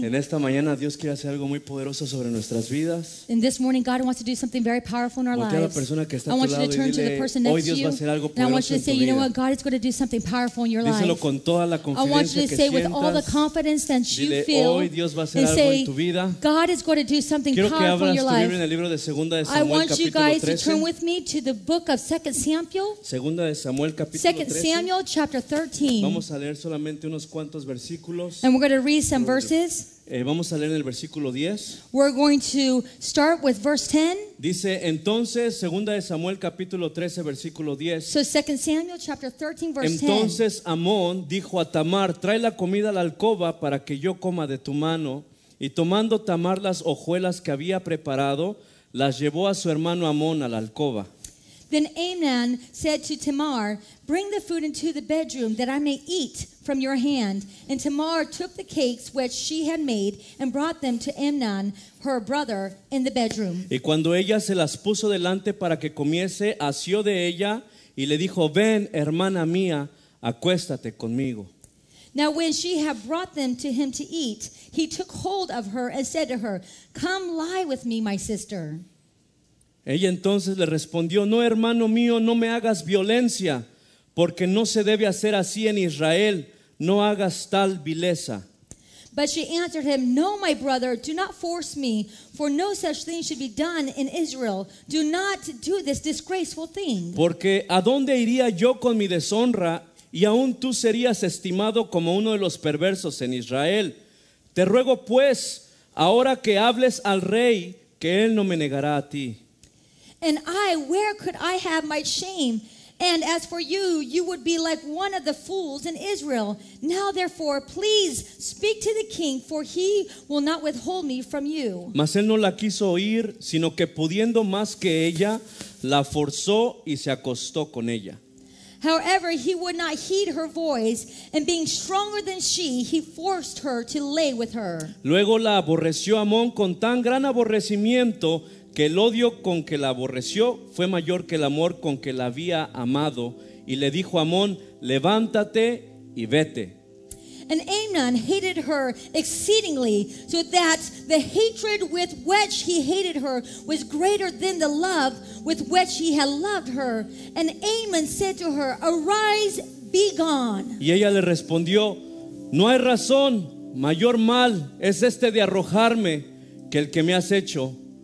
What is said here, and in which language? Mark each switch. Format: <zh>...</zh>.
<es>En esta mañana Dios quiere hacer algo muy poderoso sobre nuestras vidas.</es> <en>In this morning God wants to do something very powerful in our lives.</en> <es>Voltea a la persona que está a tu lado y dile, hoy Dios va a hacer algo poderoso en tu vida.</es> <en>I want you to say, you know what, God is going to do something powerful in your life.</en> <es>Díselo con toda la confianza que sientas.</es> <en>I want you to say with all the confidence that you feel.</en> <es>Dile, hoy Dios va a hacer algo en tu vida.</es> <en>God is going to do something powerful in your life.</en> <es>Quiero que abras tu Biblia en el libro de Segunda de Samuel capítulo 13.</es> <en>I want you guys to turn with me to the book of 2 Samuel.</en> <es>Segunda de Samuel capítulo 13.</es> <en>2 Samuel chapter 13.</en> <es>Vamos a leer solamente unos cuantos versículos.</es> <en>And we're going to read some verses.</en> <es>Vamos a leer el versículo 10.</es> <en>We're going to start with verse 10.</en> <es>Dice entonces, segunda de Samuel capítulo 13 versículo 10.</es> <en>So 2 Samuel chapter 13 verse 10.</en> <es>Entonces Amón dijo a Tamar, trae la comida a la alcoba para que yo coma de tu mano. Y tomando Tamar las hojuelas que había preparado, las llevó a su hermano Amón a la alcoba.</es> <en>Then Amnon said to Tamar, bring the food into the bedroom that I may eat from your hand. And Tamar took the cakes which she had made and brought them to Amnon, her brother, in the bedroom.</en> <es>Y cuando ella se las puso delante para que comiese, asió de ella y le dijo, ven, hermana mía, acuéstate conmigo.</es> <en>Now when she had brought them to him to eat, he took hold of her and said to her, come lie with me, my sister.</en> <es>Ella entonces le respondió, no, hermano mío, no me hagas violencia, porque no se debe hacer así en Israel, no hagas tal vileza.</es> <en>But she answered him, no, my brother, do not force me, for no such thing should be done in Israel. Do not do this disgraceful thing.</en> <es>Porque ¿a dónde iría yo con mi deshonra? Y aún tú serías estimado como uno de los perversos en Israel. Te ruego pues, ahora que hables al rey, que él no me negará a ti.</es> <en>And I, where could I have my shame? And as for you, you would be like one of the fools in Israel. Now therefore, please speak to the king, for he will not withhold me from you.</en> <es>Mas él no la quiso oír, sino que pudiendo más que ella, la forzó y se acostó con ella.</es> <en>However, he would not heed her voice, and being stronger than she, he forced her to lay with her.</en> <es>Luego la aborreció Amón con tan gran aborrecimiento que el odio con que la aborreció fue mayor que el amor con que la había amado. Y le dijo a Amón, levántate y vete.</es> <en>And Amnon hated her exceedingly, so that the hatred with which he hated her was greater than the love with which he had loved her. And Amnon said to her, arise, be gone.</en> <es>Y ella le respondió, no hay razón, mayor mal es este de arrojarme que el que me has hecho.</es>